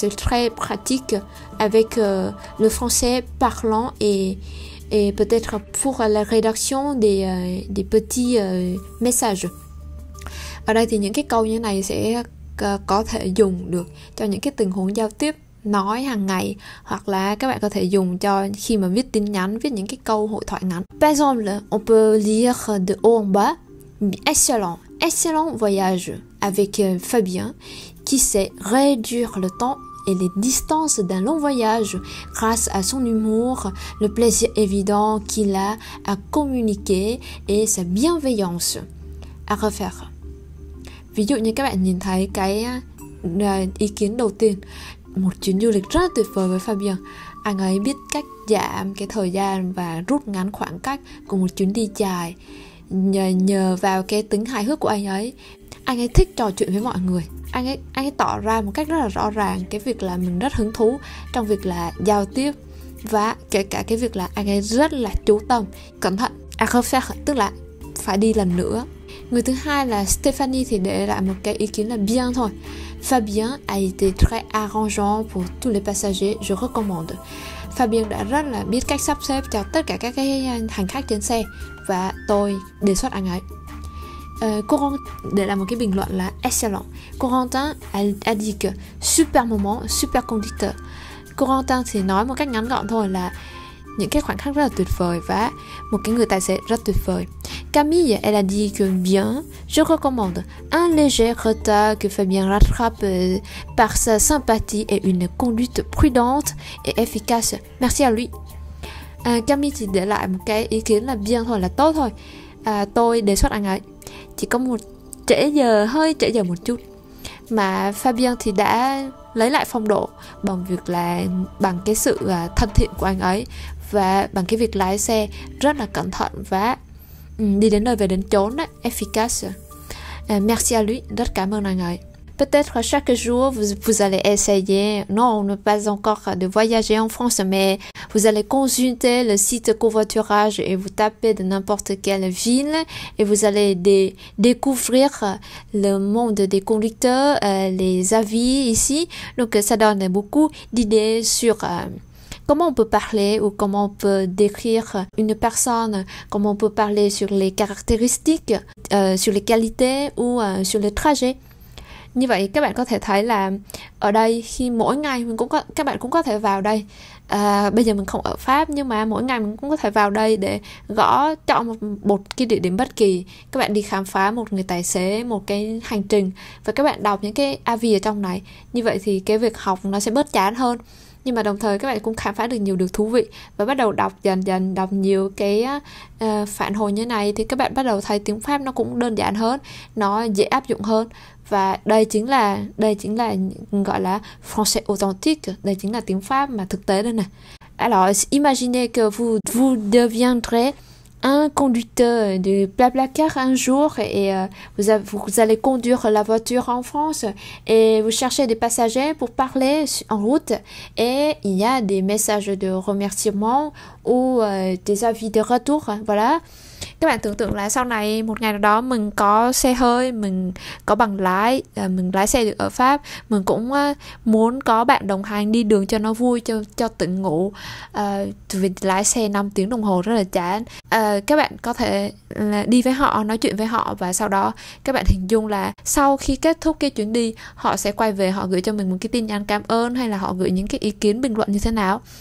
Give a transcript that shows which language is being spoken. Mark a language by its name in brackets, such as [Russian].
[French] C'est très pratique avec le français parlant et peut-être pour la rédaction des petits messages. [Vietnamese] Ở đây thì những cái câu như này sẽ có thể dùng được cho những cái tình huống giao tiếp nói hàng ngày, hoặc là các bạn có thể dùng cho khi mà viết tin nhắn, viết những cái câu hội thoại ngắn. [French] Par exemple, on peut lire de haut en bas: excellent, excellent voyage avec Fabien qui sait réduire le temps et les distances d'un long voyage grâce à son humour, le plaisir évident qu'il a à communiquer et sa bienveillance. À refaire. [Vietnamese] Ví dụ như các bạn nhìn thấy cái ý kiến đầu tiên, một chuyến du lịch rất tuyệt vời với Fabian. Anh ấy biết cách giảm cái thời gian và rút ngắn khoảng cách của một chuyến đi dài nhờ vào cái tính hài hước của anh ấy. Anh ấy thích trò chuyện với mọi người. Anh ấy tỏ ra một cách rất là rõ ràng cái việc là mình rất hứng thú trong việc là giao tiếp và kể cả cái việc là anh ấy rất là chú tâm, cẩn thận. À không phải, tức là phải đi lần nữa. Người thứ hai là Stephanie thì để lại một cái ý kiến là bien thôi. [French] Fabien a été très arrangeant pour tous les passagers, je recommande. [Vietnamese] Fabien đã rất là biết cách sắp xếp cho tất cả các cái hành khách trên xe và tôi đề xuất anh ấy. [French] Courant, [Vietnamese] để lại một cái bình luận là [French] excellent. Corentin a dit que super moment, super conducteur. [Vietnamese] Corentin thì nói một cách ngắn gọn thôi là những cái khoảnh khắc rất là tuyệt vời và một cái người tài xế rất tuyệt vời. [French] Camille, elle a dit que bien, je recommande un léger retard que Fabien rattrape par sa sympathie et une conduite prudente et efficace. Merci à lui. [Vietnamese] Camille chỉ để lại một cái ý kiến là bien thôi, là tốt thôi. Tôi đề xuất anh ấy chỉ có một trễ giờ, hơi trễ giờ một chút. Mà Fabien thì đã lấy lại phong độ bằng việc là bằng cái sự thân thiện của anh ấy và bằng cái việc lái xe rất là cẩn thận và đi đến nơi về đến chốn, efficace. [French] Merci à lui, [Vietnamese] rất cảm ơn anh ấy. [French] Peut-être chaque jour vous allez essayer, non pas encore, de voyager en France, mais vous allez consulter le site covoiturage et vous tapez de n'importe quelle ville et vous allez découvrir le monde des conducteurs, les avis ici. Donc ça donne beaucoup d'idées sur comment on peut parler ou comment on peut décrire une personne, comment on peut parler sur les caractéristiques, sur les qualités ou sur le trajet. [Vietnamese] Như vậy các bạn có thể thấy là ở đây khi mỗi ngày mình cũng có, các bạn cũng có thể vào đây. Bây giờ mình không ở Pháp nhưng mà mỗi ngày mình cũng có thể vào đây để gõ chọn một cái địa điểm bất kỳ. Các bạn đi khám phá một người tài xế, một cái hành trình và các bạn đọc những cái avi ở trong này. Như vậy thì cái việc học nó sẽ bớt chán hơn. Nhưng mà đồng thời các bạn cũng khám phá được nhiều điều thú vị và bắt đầu đọc dần dần, đọc nhiều cái phản hồi như này thì các bạn bắt đầu thấy tiếng Pháp nó cũng đơn giản hơn, nó dễ áp dụng hơn. Và đây chính là gọi là français authentique, đây chính là tiếng Pháp mà thực tế đây nè. [French] Alors, imaginez que vous deviendrez un conducteur de Blablacar un jour et vous allez conduire la voiture en France et vous cherchez des passagers pour parler en route et il y a des messages de remerciement ou des avis de retour, voilà. [Vietnamese] Các bạn tưởng tượng là sau này một ngày nào đó mình có xe hơi, mình có bằng lái, mình lái xe được ở Pháp, mình cũng muốn có bạn đồng hành đi đường cho nó vui, cho tỉnh ngủ. Vì lái xe 5 tiếng đồng hồ rất là chán. Các bạn có thể đi với họ, nói chuyện với họ và sau đó các bạn hình dung là sau khi kết thúc cái chuyến đi, họ sẽ quay về, họ gửi cho mình một cái tin nhắn cảm ơn hay là họ gửi những cái ý kiến bình luận như thế nào.